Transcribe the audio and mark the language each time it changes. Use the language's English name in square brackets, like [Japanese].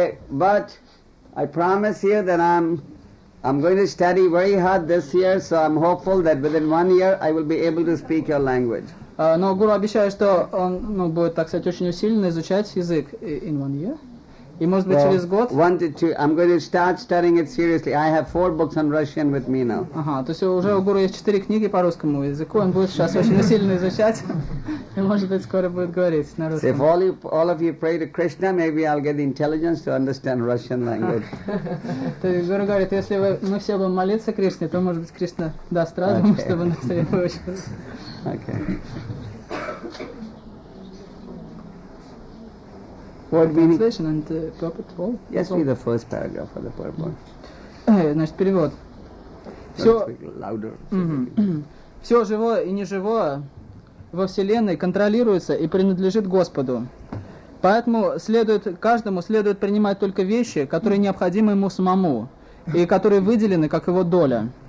[English] But I promise you that I'm going to study very hard this year, so I'm hopeful that within one year I will be able to speak your language. [Russian] Но гуру обещает, что он, ну, будет, так сказать, очень усиленно изучать язык [English] in one year. [Russian] И может быть через год. [English] One to two. I'm going to start studying it seriously. I have 4 books on Russian with me now. [Russian] Ага, то есть уже у гуру есть 4 книги по русскому языку. Он будет сейчас очень сильно изучать. И может быть скоро будет говорить на русском. [English] If all of you pray to Krishna, maybe I'll get the intelligence to understand Russian language. [Russian] То есть гуру говорит, если мы все будем молиться Кришне, то может быть Кришна даст разум, чтобы нас выучить. [English] Okay. What translation and purport? Yes, read the first paragraph of the purport. [Russian] Значит, перевод. Все. [English] Louder. [Russian] Все живое и неживое во Вселенной контролируется и принадлежит Господу. Поэтому каждому следует принимать только вещи, которые необходимы ему самому, и которые выделены как его доля.